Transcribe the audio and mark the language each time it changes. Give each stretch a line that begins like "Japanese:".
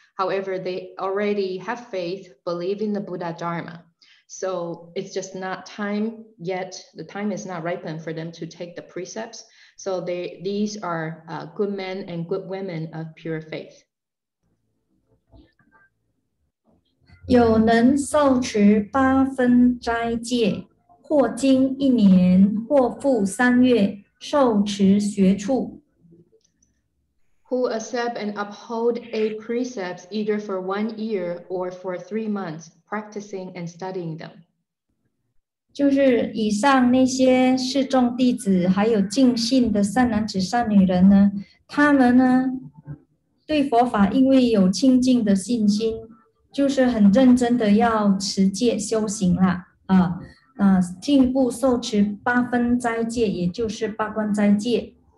English: However, they already have faith, believe in the Buddha Dharma. So it's just not time yet. The time is not ripened for them to take the precepts. So these are good men and good women of pure faith.
Chinese: 有能受持八分斋戒，或经一年，或复三月，受持学处。
English: Who accept and uphold eight precepts either for 1 year or for 3 months, practicing and studying them.
Chinese: 就是以上那些四众弟子，还有净信的善男子、善女人呢，他们呢，对佛法因为有清净的信心。就是很认真的要持戒修行了啊，那进一步受持八分斋戒，也就是八关斋戒。